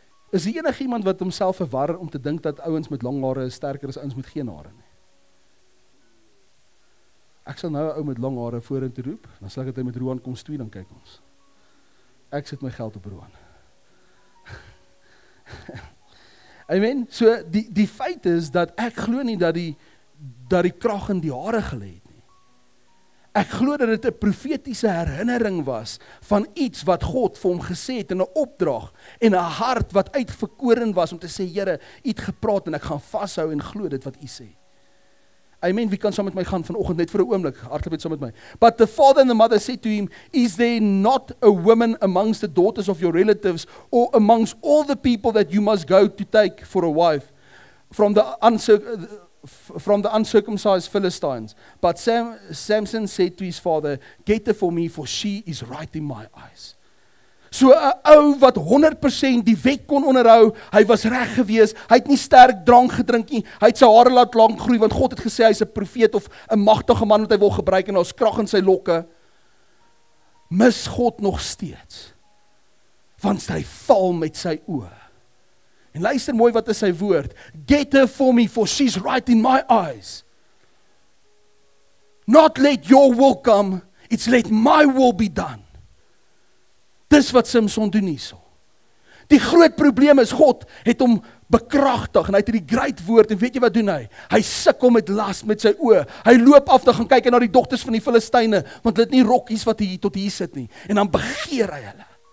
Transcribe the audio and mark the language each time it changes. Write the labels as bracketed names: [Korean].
[Afrikaans] Is die enige iemand wat homself verwar om te dink dat ouens met lang hare sterker is ouens met geen hare nie? Ek sal nou 'n ou met lang hare vorentoe roep, dan sal ek dit met Roan kom stuur, dan kyk ons. Ek sit my geld op Roan. Amen. So die feit is dat ek glo nie dat die krag in die hare gelê het nie. Ek glo dat dit 'n profetiese herinnering was van iets wat God vir hom gesê het in 'n opdrag en 'n hart wat uitverkoren was om te sê, Here, U het gepraat en ek gaan vashou en glo dit wat U sê. Amen. Wie kan saam met my gaan vanoggend net vir 'n oomblik? Hardloop net saam met my. [English] But the father and the mother said to him, is there not a woman amongst the daughters of your relatives or amongst all the people that you must go to take for a wife from the uncircumcised Philistines? But Samson said to his father, get her for me, for she is right in my eyes. [Afrikaans] So 'n ou wat 100% die wet kon onderhou, hy was reg gewees, hy het nie sterk drank gedrink nie, hy het sy hare laat lang groei, want God het gesê hy is 'n profeet of 'n magtige man wat hy wil gebruik en daar is krag in sy lokke, mis God nog steeds, want hy val met sy oë. En luister mooi wat is sy woord, [English] get her for me, for she's right in my eyes. Not let your will come, it's let my will be done. [Afrikaans] Dis wat Samson doen hierso. Die groot probleem is, God het hom bekragtig, en hy het hierdie great woord, en weet jy wat doen hy? Hy sukkel met las met sy oë, hy loop af, dan gaan kyk na die dogters van die Filistyne, want hulle het nie rokkies wat hier tot hier sit nie, en dan begeer hy hulle.